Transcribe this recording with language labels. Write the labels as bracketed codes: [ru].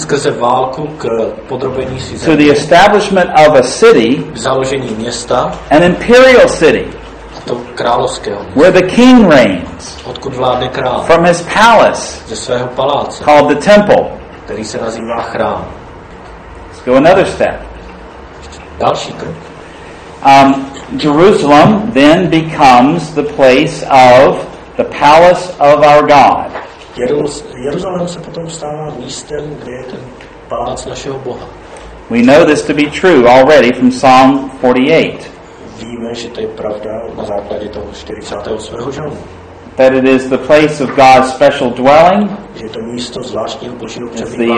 [cs] Skrze válku k podrobení si země. [en] To the establishment of a city. [cs] K založení města. [en] An imperial city. [cs] To královského. [en] Where the king reigns. [cs] Odkud vládne král. [en] From his palace. [cs] Ze svého paláce. [en] Called the temple. [cs] Který se nazývá chrám. [en] Let's go another step. [cs] Další krok. [en] Jerusalem then becomes the place of the palace of our God. [cs] Jeruzalém se potom stává místem, kde je ten palác našeho Boha. [en] We know this to be true already from Psalm 48. [cs] Víme, že to je pravda na základě toho 48. žalmu. [en] That it is the place of God's special dwelling. [cs] Je to místo zvláštního Božího přebývání.